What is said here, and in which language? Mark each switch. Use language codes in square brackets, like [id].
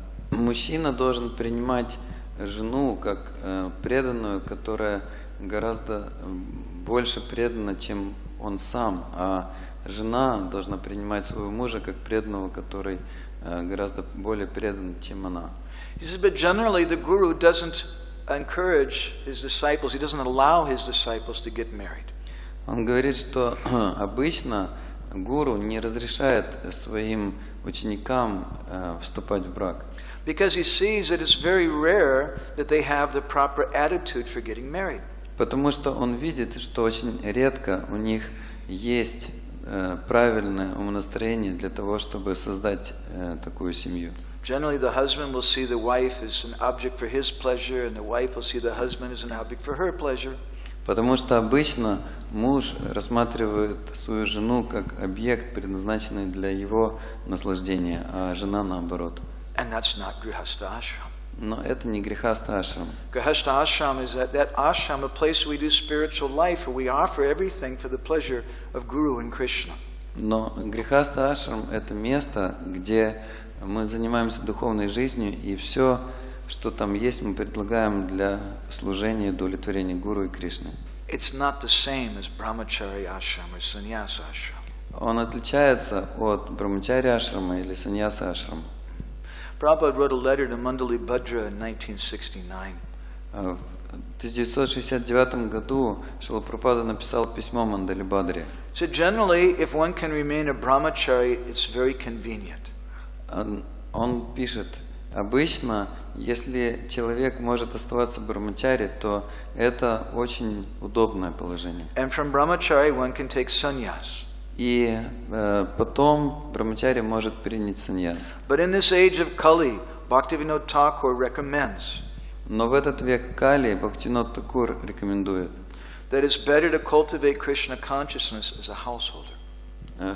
[ru] Мужчина должен принимать жену как преданную, которая гораздо больше преданно, чем он сам, а жена должна принимать своего мужа как преданного, который гораздо более предан, чем она. [en] He says, but generally the guru doesn't encourage his disciples, he doesn't allow his disciples to get married. [ru] Он говорит, что обычно гуру не разрешает своим ученикам вступать в брак. [en] Because he sees that it's very rare that they have the proper attitude for getting married. [ru] Потому что он видит, что очень редко у них есть правильное умонастроение для того, чтобы создать такую семью. [en] Generally, the husband will see the wife as an object for his pleasure, and the wife will see the husband as an object for her pleasure. [ru] Потому что обычно муж рассматривает свою жену как объект, предназначенный для его наслаждения, а жена наоборот. [en] And that's not grihastha ashram. [ru] Но это не грихастха ашрам. [en] Grihastha ashram is that ashram, a place where we do spiritual life, where we offer everything for the pleasure of Guru and Krishna. [ru] Но грихастха ашрам – это место, где мы занимаемся духовной жизнью, и все, что там есть, мы предлагаем для служения, удовлетворения Гуру и Кришны. [en] It's not the same as brahmachari ashram or sannyas ashram. [ru] Он отличается от брахмачари ашрама или саньяса ашрама. [en] Prabhupada wrote a letter to Mandali Bhadra in 1969. He said, generally, if one can remain a brahmachari, it's very convenient. [ru] Он пишет, обычно, если человек может оставаться брахмачари, то это очень удобное положение. [en] And from brahmachari, one can take sannyas. [ru] И потом брахмачари может принять саньяс. [en] But in this age of Kali, Bhaktivinoda Thakur recommends. [ru] Но в этот век Кали Бхактивинода Такур рекомендует. [en] That it's better to cultivate Krishna consciousness as a householder.